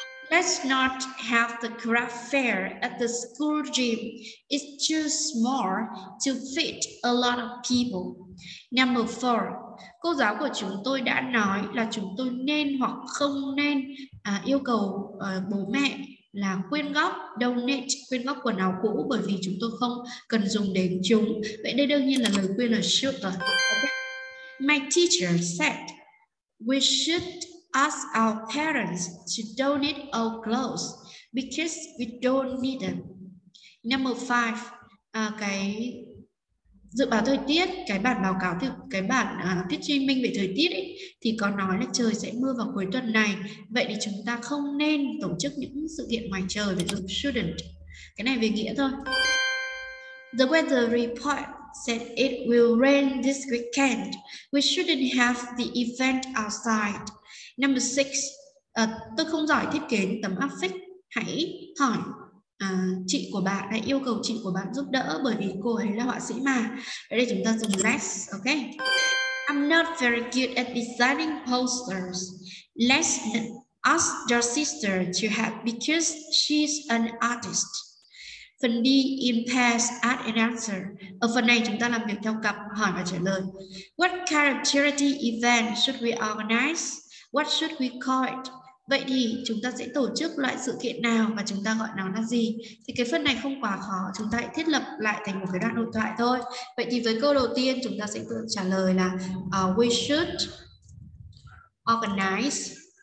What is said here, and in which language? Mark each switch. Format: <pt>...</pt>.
<en>Let's not have the craft fair at the school gym. It's too small to fit a lot of people. Number 4.</en> <vi>Cô giáo của chúng tôi đã nói là chúng tôi nên hoặc không nên yêu cầu bố mẹ là quyên góp, donate, quyên góp quần áo cũ bởi vì chúng tôi không cần dùng đến chúng. Vậy đây đương nhiên là lời quyên ở should rồi.</vi> <en>My teacher said we should ask our parents to donate our clothes because we don't need them. Number five,</en> <vi>cái dự báo thời tiết, cái bản báo cáo, cái bản thuyết trình minh về thời tiết ấy, thì có nói là trời sẽ mưa vào cuối tuần này. Vậy thì chúng ta không nên tổ chức những sự kiện ngoài trời, ví dụ shouldn't. Cái này về nghĩa thôi.</vi> <en>The weather report said it will rain this weekend. We shouldn't have the event outside. Number six,</en> <vi>tôi không giỏi thiết kế tấm áp phích. Hãy hỏi chị của bạn, hãy yêu cầu chị của bạn giúp đỡ bởi vì cô ấy là họa sĩ mà. Ở đây chúng ta dùng less, ok?</vi> <en>I'm not very good at designing posters. Let's ask your sister to help because she's an artist. Phần D in pairs, ask and answer.</en> <vi>Ở phần này chúng ta làm việc theo cặp, hỏi và trả lời.</vi> <en>What kind of charity event should we organize? What should we call it?</en> <vi>Vậy thì chúng ta sẽ tổ chức loại sự kiện nào và chúng ta gọi nó là gì? Thì cái phần này không quá khó, chúng ta hãy thiết lập lại thành một cái đoạn đối thoại thôi. Vậy thì với câu đầu tiên chúng ta sẽ tự trả lời là</vi> <en>we should organize.</en>